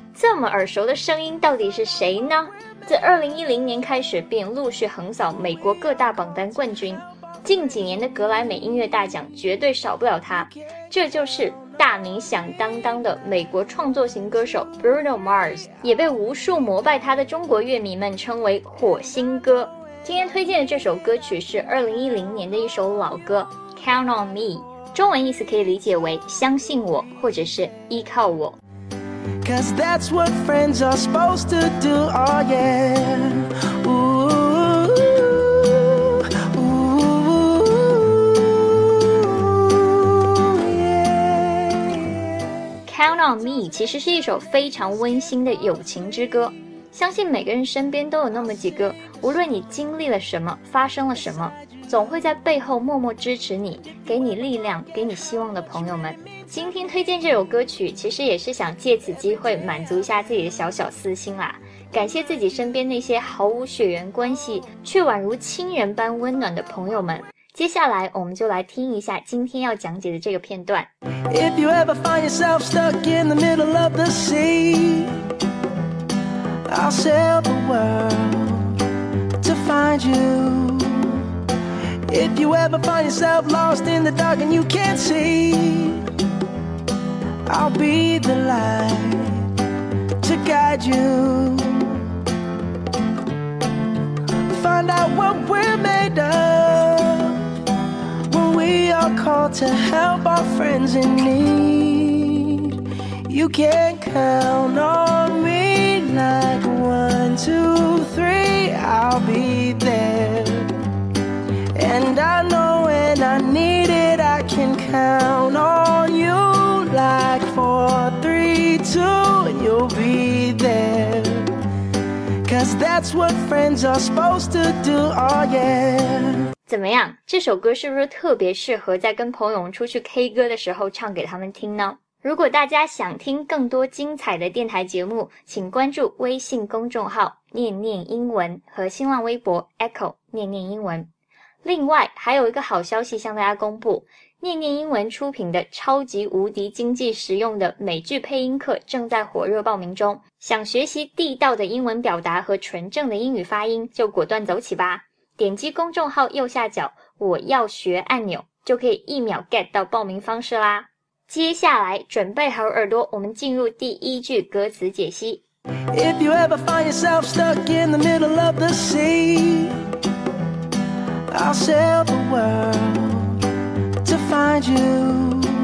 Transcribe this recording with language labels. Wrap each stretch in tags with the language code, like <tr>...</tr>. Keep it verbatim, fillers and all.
<zh>这么耳熟的声音到底是谁呢？自二零一零年开始便陆续横扫美国各大榜单冠军，近几年的格莱美音乐大奖绝对少不了他，这就是大名响当当的美国创作型歌手 Bruno Mars， 也被无数膜拜他的中国乐迷们称为火星歌。今天推荐的这首歌曲是二零一零年的一首老歌 Count on Me， 中文意思可以理解为相信我或者是依靠我。</zh> <en>Cause that's what friends are supposed to do, oh yeah. Ooh, ooh, yeah.</en> <zh>Count on Me 其实是一首非常温馨的友情之歌，相信每个人身边都有那么几个，无论你经历了什么，发生了什么，总会在背后默默支持你，给你力量，给你希望的朋友们。今天推荐这首歌曲，其实也是想借此机会满足一下自己的小小私心啦，感谢自己身边那些毫无血缘关系却宛如亲人般温暖的朋友们。接下来我们就来听一下今天要讲解的这个片段。</zh> <en>If you ever find yourself stuck in the middle of the sea, I'll sail the world to find you. If you ever find yourself lost in the dark and you can't see, I'll be the light to guide you. Find out what we're made of when we are called to help our friends in need. You can count on me like one, two, three, I'll be there. And I know when I need it, I can count on you. Like four, three, two, and you'll be there. Cause that's what friends are supposed to do, oh yeah.</en> <zh>怎么样，这首歌是不是特别适合在跟朋友们出去 K 歌的时候唱给他们听呢？如果大家想听更多精彩的电台节目，请关注微信公众号念念英文和新浪微博 Echo 念念英文。另外还有一个好消息向大家公布，念念英文出品的超级无敌经济实用的美剧配音课正在火热报名中，想学习地道的英文表达和纯正的英语发音，就果断走起吧。点击公众号右下角我要学按钮，就可以一秒 get 到报名方式啦。接下来准备好耳朵，我们进入第一句歌词解析。</zh> <en>If you ever find yourself stuck in the middle of the sea,I'll sail the world to find you.</en>